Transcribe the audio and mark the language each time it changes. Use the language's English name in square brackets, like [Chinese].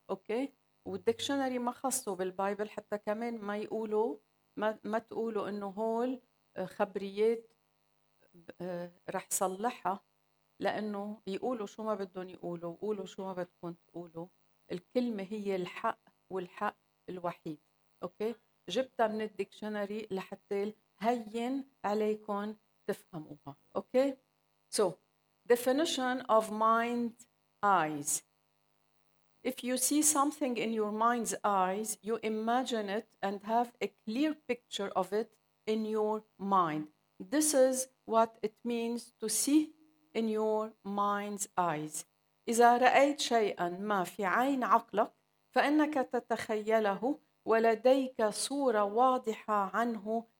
[Arabic] أوكي، والديكشنري ما خصوا بالبايبل، حتى كمان ما يقولوا، ما تقولوا إنه هول خبريات رح صلحها، لأنه يقولوا شو ما بدهم يقولوا، يقولوا شو ما بدكم تقولوا. الكلمة هي الحق والحق الوحيد. أوكي، جبتها من الديكشنري لحتى هين عليكم تفهموها. [English] Okay, so definition of mind eyes. If you see something in your mind's eyes, you imagine it and have a clear picture of it in your mind. This is what it means to see in your mind's eyes. [Arabic] إذا رأيت شيئاً ما في عين عقلك فإنك تتخيله ولديك صورة واضحة عنه